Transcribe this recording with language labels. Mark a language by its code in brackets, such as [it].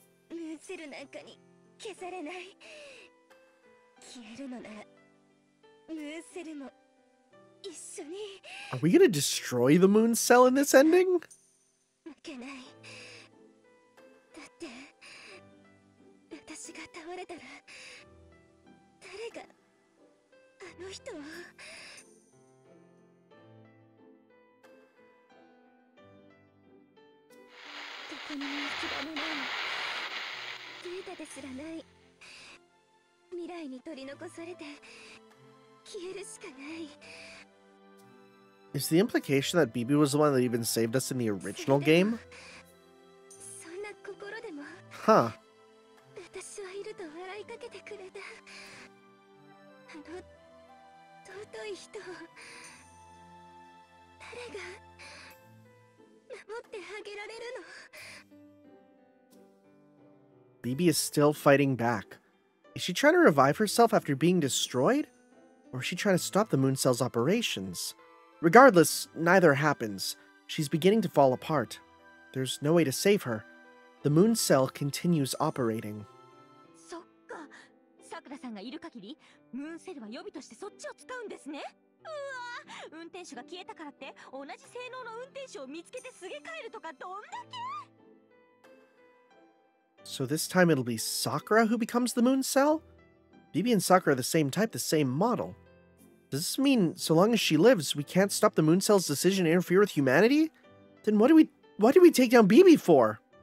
[ja] ムーンセルなんかに消されない。消えるのならムーンセルも一緒に。 [en] Are we gonna destroy the moon cell in this ending? [ja] 負けない。だって私が倒れたら誰があの人を。データですらない。未来に取り残されて消えるしかない。 [en] Is the implication that Bibi was the one that even saved us in the original game? [ja] そんな心でも。 Huh. 私はいると笑いかけてくれた。あの尊い人。誰が守ってあげられるの？ [en] Bibi is still fighting back. Is she trying to revive herself after being destroyed? Or is she trying to stop the moon cell's operations? Regardless, neither happens. She's beginning to fall apart. There's no way to save her. The moon cell continues operating. [ja] そっか。さくらさんがいる限り、ムーンセルは予備としてそっちを使うんですね。うわぁ、運転手が消えたからって、同じ性能の運転手を見つけてすげ替えるとかどんだけ。 [en] So this time it'll be Sakura who becomes the moon cell? Bibi and Sakura are the same type, the same model. Does this mean, so long as she lives, we can't stop the moon cell's decision to interfere with humanity? Then what do we take down Bibi for?